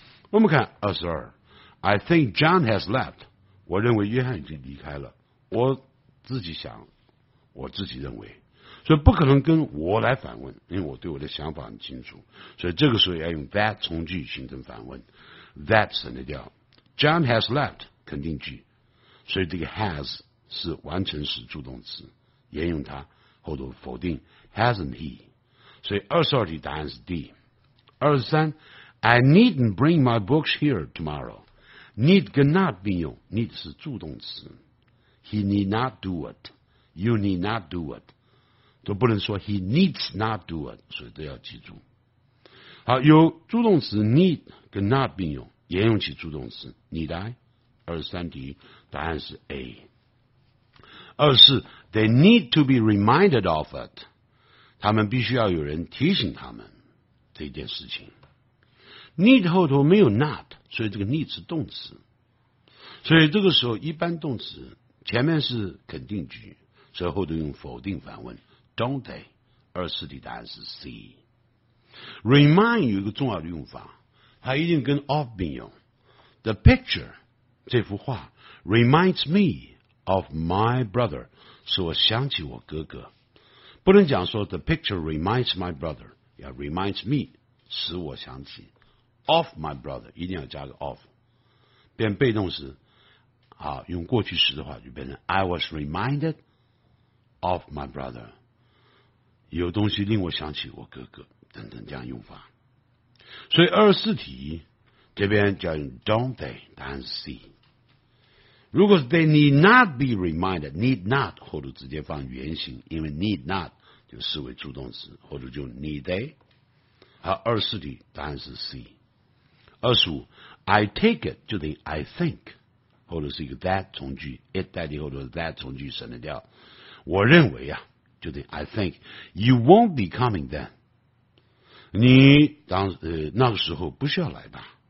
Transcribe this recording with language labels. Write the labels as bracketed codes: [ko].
[zh] 我们看22 [en] I think John has left [zh] 我认为约翰已经离开了，我自己想，我自己认为，所以不可能跟我来反问，因为我对我的想法很清楚，所以这个时候要用 that 从句形成反问， that 省得掉， John has left 肯定句，所以这个 has 是完成时助动词，沿用它后头否定 hasn't he，所以22题答案是 D。 [en] 23 I needn't bring my books here tomorrow. Need 跟 not 并用， need [zh] 是助动词。 [en] He need not do it. You need not do it. [zh] 都不能说 [en] he needs not do it， [zh] 所以都要记住。好，有助动词 need 跟 not 并用，沿用起助动词 need I。 23题答案是 A。 [en] 24 They need to be reminded of it. [zh] 他们必须要有人提醒他们这件事情。 Need 后头没有 not， 所以这个 need 是动词。所以这个时候一般动词前面是肯定句，所以后头用否定反问 ,don't they? 24题答案是 C。Remind 有一个重要的用法，它一定跟 of 并用。 [en] The picture, [zh] 这幅画 [en] reminds me of my brother, [zh] 使我想起我哥哥。不能讲说 the picture reminds my brother， 要 reminds me， 使我想起 of my brother， 一定要加个 of， 变被动时啊，用过去时的话就变成 [en] I was reminded of my brother， [zh] 有东西令我想起我哥哥等等，这样用法。所以24题这边叫用 don't they， 答案是 C。如果是 they need not be reminded， need not 后头直接放原形，因为 need not就视为助动词，或者就 need they。好，24题答案是 C。 25 I take it 就等于 I think， 或者是一个 that 从句， it 代替后头的 that 从句省得掉，我认为啊，就等于 [en] I think you won't be coming then， [zh] 你当那个时候不需要来吧。